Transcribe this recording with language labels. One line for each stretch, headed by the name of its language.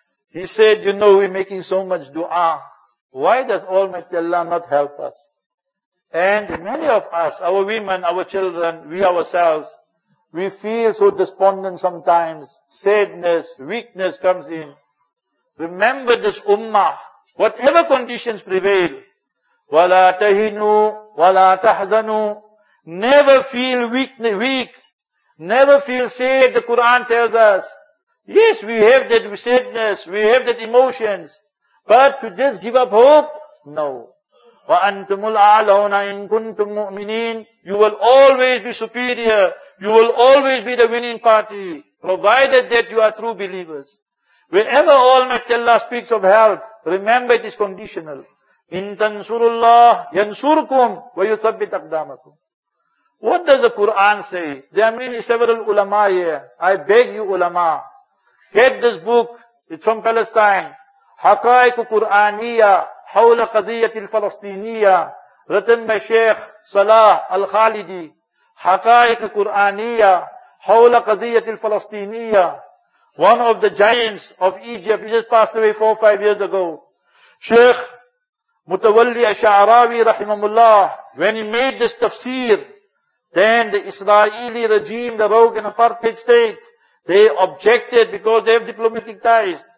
English: He said, you know, we're making so much dua. Why does Almighty Allah not help us? And many of us, our women, our children, we ourselves, we feel so despondent sometimes. Sadness, weakness comes in. Remember this ummah. Whatever conditions prevail,
Arabic: وَلَا تَهِنُوا وَلَا تَحْزَنُوا.
English: Never feel weak. Never feel sad, the Quran tells us. Yes, we have that sadness, we have that emotions. But to just give up hope? No.
Arabic: وَأَنْتُمُ الْأَعْلَوْنَ إِن كُنْتُم مُؤْمِنِينَ.
English: You will always be superior. You will always be the winning party. Provided that you are true believers. Wherever Almighty Allah speaks of help, remember it is conditional.
Arabic: إِن تَنْصُرُ اللَّهِ يَنْصُرْكُمْ وَيُثَبِّتْ أَقْدَامَكُمْ.
English: What does the Quran say? There are many several ulama here. I beg you ulama, get this book. It's from Palestine.
Arabic: حقائق قرآنية حول قضية الفلسطينية,
English: written by Sheikh Salah Al-Khalidi.
Arabic: حقائق قرآنية حول قضية الفلسطينية.
English: One of the giants of Egypt. He just passed away 4 or 5 years ago. Sheikh Mutawalli Ash-Sha'rawi Rahimahullah, when he made this tafsir, then the Israeli regime, the rogue and apartheid state, they objected because they have diplomatic ties.